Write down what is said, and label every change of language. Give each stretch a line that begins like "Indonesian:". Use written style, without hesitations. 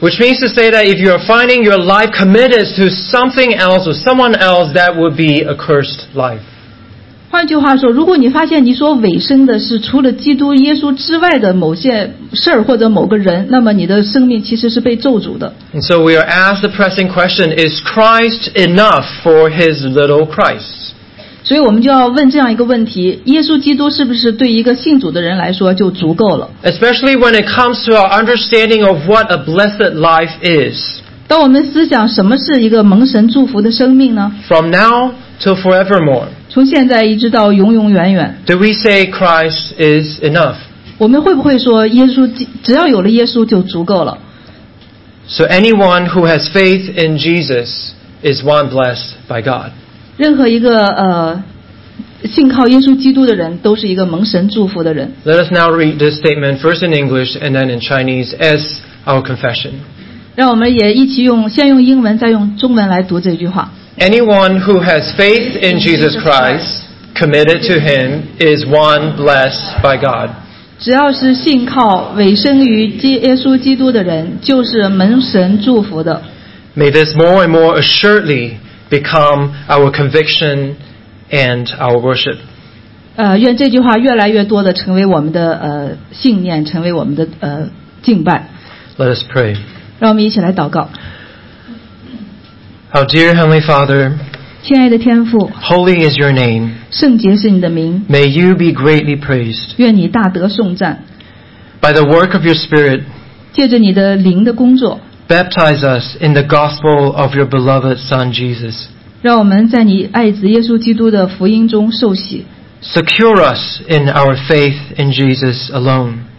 English: Which means to say that if you are finding your life committed to something else or someone else, that would be a cursed life.
Chinese: 换句话说, 如果你发现你所委身的是除了基督耶稣之外的某些事或者某个人, 那么你的生命其实是被咒诅的。
English: And so we are asked the pressing question, is Christ enough for his little Christ?
Chinese: 所以我们就要问这样一个问题, 耶稣基督是不是对一个信主的人来说就足够了?
English: Especially when it comes to our understanding of what a blessed life is.
Chinese: 当我们思想什么是一个蒙神祝福的生命呢?
English: From now to forevermore.
Chinese: 从现在一直到永永远远。
English: Do we say Christ is enough?
Chinese: 我们会不会说耶稣, 只要有了耶稣就足够了?
English: So anyone who has faith in Jesus is one blessed by God.
Chinese: 任何一个, 信靠耶稣基督的人都是一个蒙神祝福的人。
English: Let us now read this statement first in English and then in Chinese as our confession.
Chinese: 让我们也一起用, 先用英文, 再用中文来读这句话。
English: Anyone who has faith in Jesus Christ, committed to him, is one blessed by God.
Chinese: 只要是信靠委身于耶稣基督的人, 就是蒙神祝福的。
English: May this more and more assuredly become our conviction and our worship.
Chinese: 愿这句话越来越多地成为我们的, 信念, 成为我们的, 敬拜。
English: Let us pray.
Chinese: 让我们一起来祷告。
English: Our dear Heavenly Father,
Chinese: 亲爱的天父,
English: holy is your name.
Chinese: 圣洁是你的名,
English: may you be greatly praised.
Chinese: 愿你大得颂赞,
English: by the work of your Spirit,
Chinese: 借着你的灵的工作,
English: baptize us in the gospel of your beloved Son Jesus.
Chinese: 让我们在你爱子耶稣基督的福音中受洗,
English: secure us in our faith in Jesus alone.